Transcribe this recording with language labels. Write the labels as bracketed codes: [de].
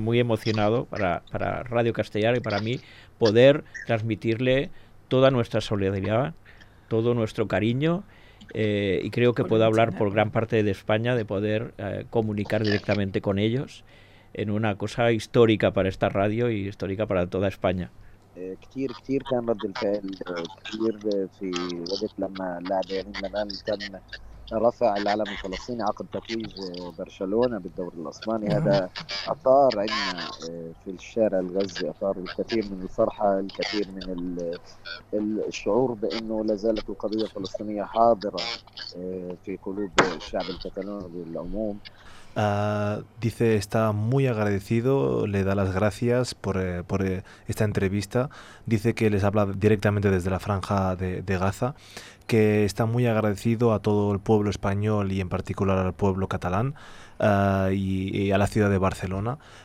[es] es muy emocionado para Radio Castellar y para mí poder transmitirle toda nuestra solidaridad, todo nuestro cariño y creo que puedo hablar por gran parte de España de poder comunicar directamente con ellos en una cosa histórica para esta radio y histórica para toda España. [ar] كتير كتير كان رد الفعل كبير في وقت لما اللاعب لامين يامال تم رفع العلم الفلسطيني عقب تتويج برشلونة بالدوري الأسباني. هذا أثار عندنا في الشارع الغزي، أثار الكثير من الفرحة، الكثير من الشعور بأنه لا زالت القضية الفلسطينية حاضرة في قلوب الشعب الكتالوني بالعموم. [es] Dice está muy agradecido, le da las gracias por esta entrevista, dice que les habla directamente desde la franja de Gaza, que está muy agradecido a todo el pueblo español y en particular al pueblo catalán y a la ciudad de Barcelona.